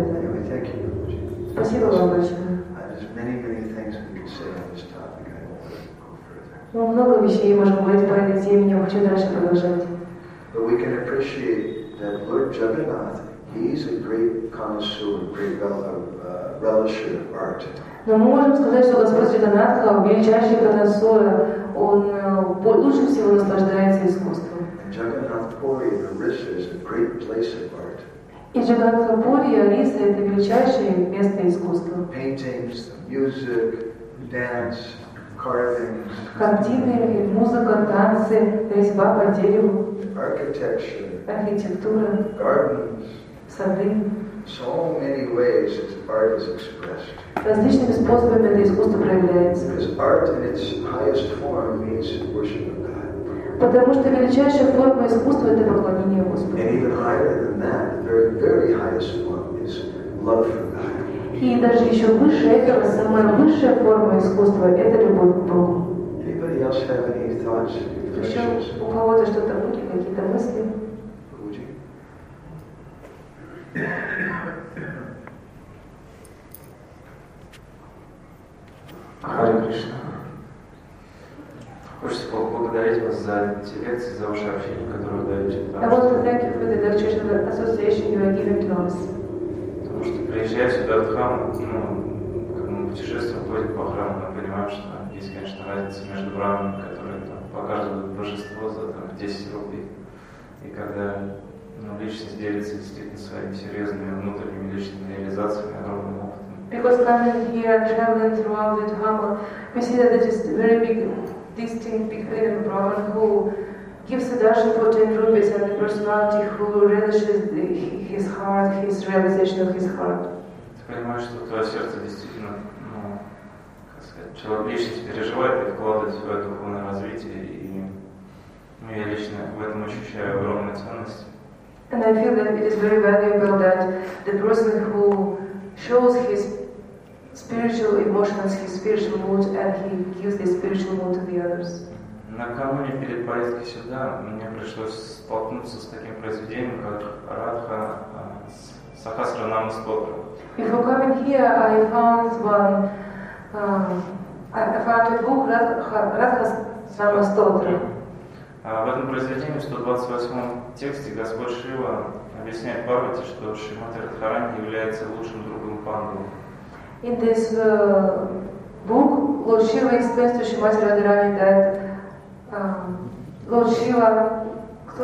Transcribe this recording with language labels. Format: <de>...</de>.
<en>Anyway, thank you very much.</en> <ru>Спасибо вам большое.</ru> <en>There's many, many things we can say on this topic. I don't want to go further.</en> <ru>Ну, много вещей можно говорить по этой теме, я хочу дальше продолжать.</ru> <en>But we can appreciate that Lord Jagannath, he's a great connoisseur, a great relisher of art.</en> <ru>Но мы можем сказать, что Господь Джаганнат, как величайший коннессор, он лучше всего наслаждается искусством.</ru> <en>And Jagannath Puri and Orissa is a great place of art.</en> <ru>И Джаганнат Пури и Орисса — это величайшее место искусства.</ru> <en>Paintings, music, dance, carvings.</en> <ru>Картины, музыка, танцы, резьба по дереву.</ru> <en>Architecture, gardens,</en> <ru>сады.</ru> <en>So many ways that art is expressed.</en> <ru>Различными способами это искусство проявляется.</ru> <en>Because art in its highest form means worship of God.</en> <ru>Потому что величайшая форма искусства — это поклонение Господу.</ru> <en>And even higher than that, the very, very highest form is love for God.</en> <ru>И даже еще выше этого, самая высшая форма искусства — это любовь к Богу.</ru> <en>Anybody else have any thoughts? wishes.</en> <ru>У кого-то что-то будет, какие-то мысли.</ru> <en>Guruji. Hare Krishna.</en> <ru>Хочется поблагодарить вас за те лекции, за ваше общение, которое вы даете.</ru> <en>I want to thank you for the lectures and association you are giving to us.</en> <ru>Потому что приезжая сюда в храм, ну, как мы путешествуем, ходим по храму, мы понимаем, что есть, конечно, разница между брахманами, которые там показывают божество за там, 10 рупий. И когда ну, личность делится действительно своими серьезными внутренними личными реализациями, огромным опытом.</ru> <en>Because coming here and traveling throughout the dharma, we see that it is very big. Distinct between a Brahman who gives a darshan for 10 rupees and a personality who relishes the, his heart, his realization of his heart.</en> <ru>Ты понимаешь, что твое сердце действительно, ну, как сказать, человек личность переживает и вкладывает в свое духовное развитие, и ну, я лично в этом ощущаю огромную ценность.</ru> <en>And I feel that it is very valuable that the person who shows his spiritual emotions, his spiritual mood, and he gives the spiritual mood to the others.</en> <ru>Накануне перед поездкой сюда мне пришлось столкнуться с таким произведением, как Радха Сахасранама Стотра.</ru> <en>Before coming here, I found one. I found a book Radha Sama Stotra.</en> <ru>В этом произведении в 128 тексте Господь Шива объясняет Парвати, что Шримати Радхарани является лучшим другом Панду.</ru> <en>In this book, Lord Shiva explains to Shrimati Radharani that Lord Shiva,</en> <ru>кто</ru>